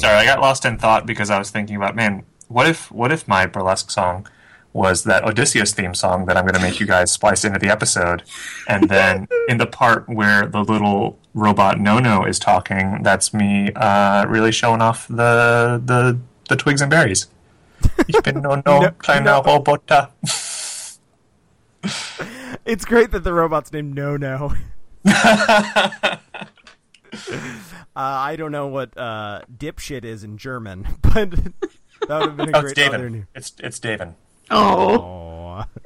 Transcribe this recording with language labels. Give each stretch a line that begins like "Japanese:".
English: Sorry, I got lost in thought because I was thinking about, man, what if my burlesque song was that Odysseus theme song that I'm going to make you guys splice into the episode. And then in the part where the little robot Nono is talking, that's me really showing off the twigs and berries.
German: Ich bin Nono, kleiner Robot.
English: It's great that the robot's named Nono. I don't know what dipshit is in German, but that would have been a great Davin. Other name. It's Davin. Oh.